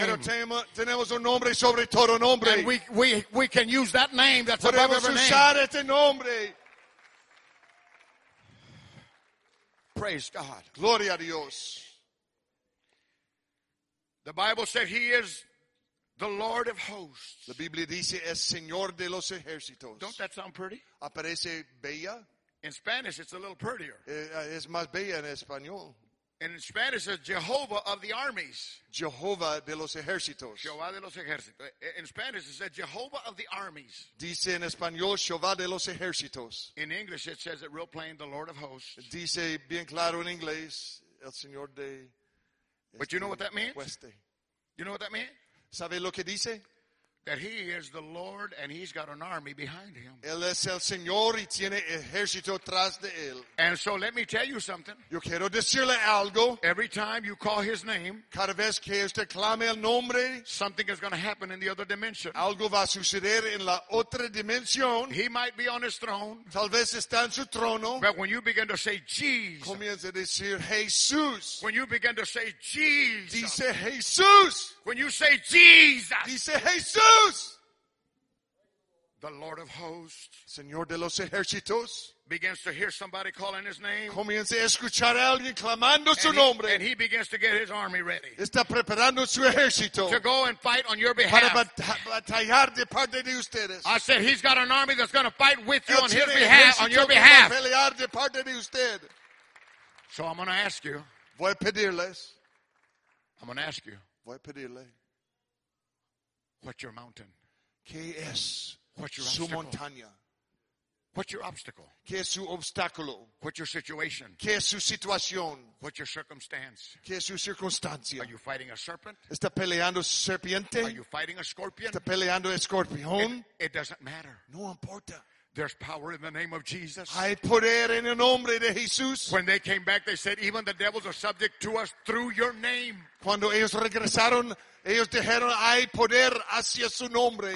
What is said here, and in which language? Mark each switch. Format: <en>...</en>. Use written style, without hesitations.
<es>Pero tenemos un nombre sobre todo nombre.</es> <en>And we can use that name that's</en> <es>podemos</es> <en>above every name.</en> <es>Podemos usar este nombre.</es> <en>Praise God.</en> <es>Gloria a Dios.</es> <en>The Bible said he is the Lord of hosts.</en> <es>La Biblia dice es Señor de los ejércitos.</es> <en>Don't that sound pretty?</en> <es>Aparece bella.</es> <en>In Spanish, it's a little prettier.</en> <es>Es más bella en español.</es> <en>And in Spanish, it's Jehovah of the armies.</en> <es>Jehovah de los ejércitos. Jehovah de los ejércitos.</es> <en>In Spanish, it says Jehovah of the armies.</en> <es>Dice en español, Jehovah de los ejércitos.</es> <en>In English, it says it real plain, the Lord of hosts.</en> <es>Dice bien claro en inglés, el Señor de...</es> <en>But you know what that means? You know what that means?</en> <es>¿Sabe lo que dice?</es> <en>That he is the Lord and he's got an army behind him.</en> <es>Él es el Señor y tiene ejército tras de él.</es> <en>And so let me tell you something.</en> <es>Yo quiero decirle algo.</es> <en>Every time you call his name,</en> <es>cada vez que usted clame el nombre,</es> <en>something is going to happen in the other dimension.</en> <es>Algo va a suceder en la otra dimensión.</es> <en>He might be on his throne.</en> <es>Tal vez está en su trono.</es> <en>But when you begin to say Jesus,</en> <es>comienza a decir Jesús.</es> <en>When you begin to say Jesus,</en> <es>dice Jesús.</es> <en>When you say Jesus,</en> <es>dice Jesús.</es> <en>The Lord of hosts,</en> <es>Señor de los ejércitos,</es> <en>begins to hear somebody calling his name.</en> <es>Comienza a escuchar a alguien clamando su nombre.</es> <en>And he begins to get his army ready.</en> <es>Está preparando su ejército.</es> <en>To go and fight on your behalf.</en> <es>Para batallar de parte de ustedes.</es> <en>I said he's got an army that's going to fight with you on his behalf, on your behalf.</en> <es>Para pelear de parte de usted.</es> <en>So I'm going to ask you.</en> <es>Voy a pedirles.</es> <en>I'm going to ask you.</en> <es>Voy a pedirle.</es> <en>What's your mountain?</en> <es>¿Qué es</es> <en>What's your</en> <es>su</es> <en>obstacle?</en> <es>Montaña?</es> <en>What's your obstacle?</en> <es>¿Qué es su obstáculo?</es> <en>What's your situation?</en> <es>¿Qué es su situación?</es> <en>What's your circumstance?</en> <es>¿Qué es su circunstancia?</es> <en>Are you fighting a serpent?</en> <es>¿Está peleando serpiente?</es> <en>Are you fighting a scorpion?</en> <es>¿Está peleando escorpión?</es> <en>It doesn't matter.</en> <es>No importa.</es> <en>There's power in the name of Jesus.</en> <es>Hay poder en el nombre de Jesús.</es> <en>When they came back, they said, even the devils are subject to us through your name.</en> <es>Cuando ellos regresaron, ellos dijeron, hay poder hacia su nombre.</es>